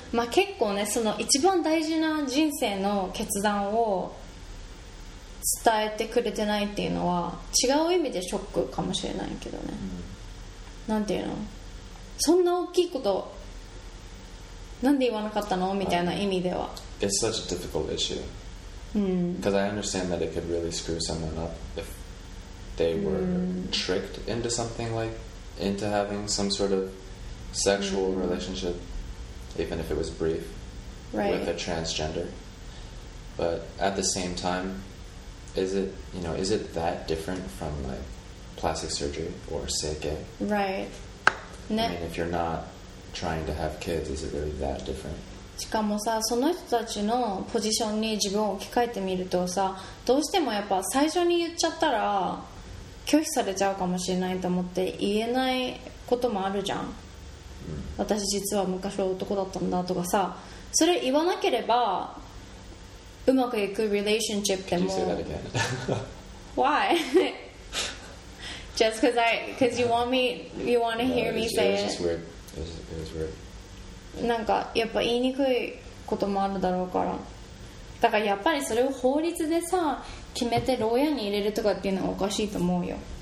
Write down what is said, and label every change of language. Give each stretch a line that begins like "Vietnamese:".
Japanese: まあ結構ね、その一番大事な人生の決断を伝えてくれてないっていうのは違う意味でショックかもしれないけどね、なんていうの、そんな大きいことなんで言わなかったのみたいな意味では、
English: It's such a difficult issue. Because I understand that it could really screw someone up if they were tricked into something like, into having some sort of sexual relationship, even if it was brief, with a transgender. But at the same time, is it, you know, is it that different from like plastic surgery or say gay? Right. I mean, if you're not trying to have kids, is it really that different?
Japanese: しかもさ、その人たちのポジションに自分を置き換えてみるとさ、どうしてもやっぱ最初に言っちゃったら拒否されちゃうかもしれないと思って言えないこともあるじゃん。私実は昔は男だったんだとかさ、それ言わなければうまくいく relationship でも。
English: Can you say that again? Why? Just because you want me, you want to hear me say it. It's just weird. It's weird.
Japanese: なんかやっぱ言いにくいこともあるだろうからだからやっぱりそれを法律でさ決めて牢屋に入れるとかっていうのはおかしいと思うよ